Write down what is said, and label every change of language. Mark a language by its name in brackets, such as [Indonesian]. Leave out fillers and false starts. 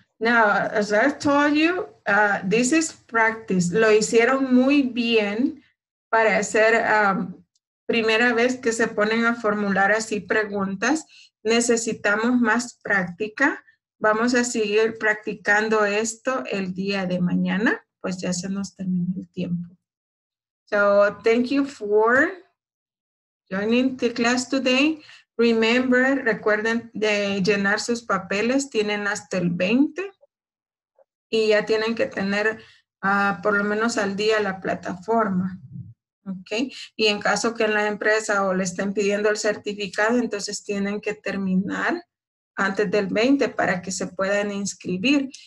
[English] Now, as I told you, this is practice. [Spanish] Lo hicieron muy bien para hacer... primera vez que se ponen a formular así preguntas, necesitamos más práctica. Vamos a seguir practicando esto el día de mañana, pues ya se nos terminó el tiempo. [English] So, thank you for joining the class today. Remember, [Spanish] recuerden de llenar sus papeles, tienen hasta el 20 y ya tienen que tener por lo menos al día la plataforma. Okay. Y en caso que en la empresa o le estén pidiendo el certificado, entonces tienen que terminar antes del 20 para que se puedan inscribir.